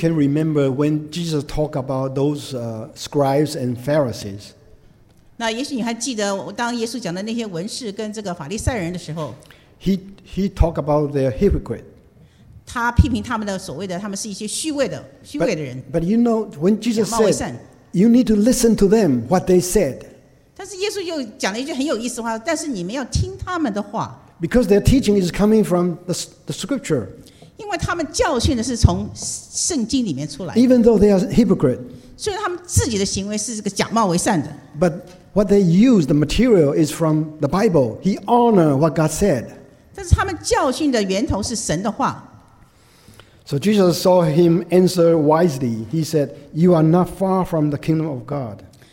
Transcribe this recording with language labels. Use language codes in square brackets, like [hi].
[en] can remember when Jesus talked about those scribes and Pharisees. [zh] 那也许你还记得当耶稣讲的那些文士跟这个法利赛人的时候。He [en] talked about their hypocrite. [zh] 他批评他们的所谓的他们是一些虚伪的人。 [en] But you know, when Jesus said, you need to listen to them, what they said. [zh] 但是耶稣又讲了一句很有意思的话，但是你们要听他们的话。 [en] Because their teaching is coming from the scripture. [zh] 因为他们教训的是从圣经里面出来。 [en] Even though they are hypocrite. [zh] 所以他们自己的行为是这个假冒为善的。 [en] But what they use, the material, is from the Bible. He honored what God said. [zh] 但是他们教训的源头是神的话。 [en] So Jesus saw him answer wisely. He said, you are not far from the kingdom of God.